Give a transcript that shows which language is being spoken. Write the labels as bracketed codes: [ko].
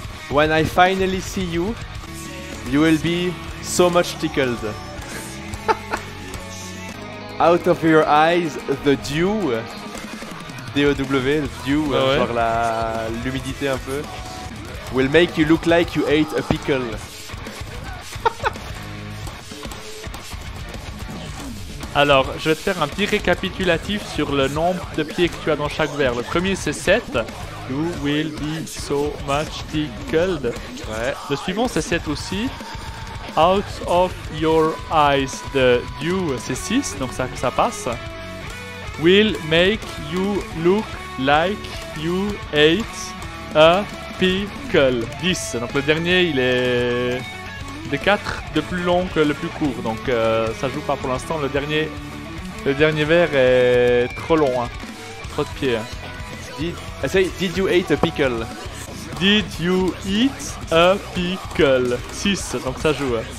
[en] When I finally see you, you will be so much tickled. Out of your eyes, the dew. D-E-W, dew, [fr] Ah ouais? genre la l'humidité un peu. [en] Will make you look like you ate a pickle. [fr] Alors, je vais te faire un petit récapitulatif sur le nombre de pieds que tu as dans chaque vers. Le premier, c'est 7. [en] You will be so much tickled. [fr] Ouais. Le suivant, c'est 7 aussi. [en] Out of your eyes, the dew, [fr] c'est 6, donc ça passe. [en] Will make you look like you ate a pickle. [fr] 10. Donc le dernier, il est des 4 de plus long que le plus court. Donc ça joue pas pour l'instant. Le dernier vers est trop long. Hein. Trop de pieds. [en] Did you eat a pickle? Did you eat a pickle? 6. [fr] Donc ça joue.